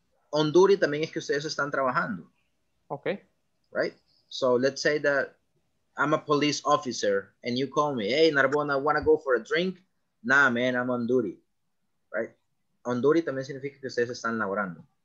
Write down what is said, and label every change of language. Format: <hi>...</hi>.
<es>On duty también es que ustedes están trabajando.</es> <en>Okay. Right? So let's say that I'm a police officer and you call me, hey, Narbona, wanna go for a drink? Nah, man, I'm on duty. Right?</en> <es>On duty también significa que ustedes están laborando.</es>